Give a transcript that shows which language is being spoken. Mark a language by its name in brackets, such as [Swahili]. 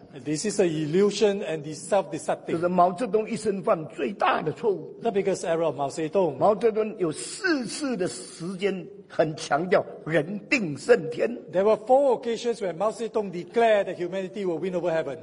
[English] This is an illusion and the self-deceptive. [Chinese] 就是毛泽东一生犯最大的错误。 [English] The biggest error of Mao Zedong. [Chinese] 毛泽东有四次的时间很强调人定胜天。 [English] There were four occasions when Mao Zedong declared that humanity will win over heaven.